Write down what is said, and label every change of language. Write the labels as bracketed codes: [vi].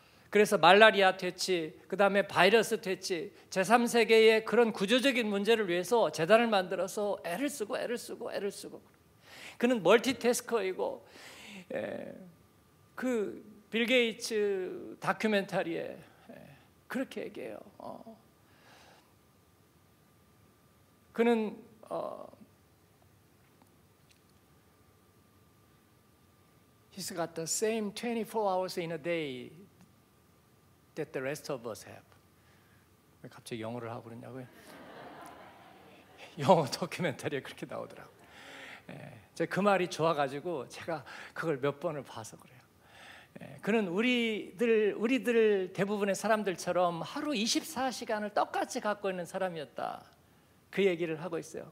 [ko] 그래서 말라리아 퇴치, 그 다음에 바이러스 퇴치, 제3세계의 그런 구조적인 문제를 위해서 재단을 만들어서 애를 쓰고 애를 쓰고 애를 쓰고, 그는 멀티태스커이고, 그 빌 게이츠 다큐멘터리에 그렇게 얘기해요. 그는 [en] He's got the same 24 hours in a day that the rest of us have. [ko] 왜 갑자기 영어를 하고 그러냐고요? 영어 다큐멘터리에 그렇게 나오더라고요. 제가 그 말이 좋아가지고 제가 그걸 몇 번을 봐서 그래요. 그는 우리들 대부분의 사람들처럼 하루 24시간을 똑같이 갖고 있는 사람이었다, 그 얘기를 하고 있어요.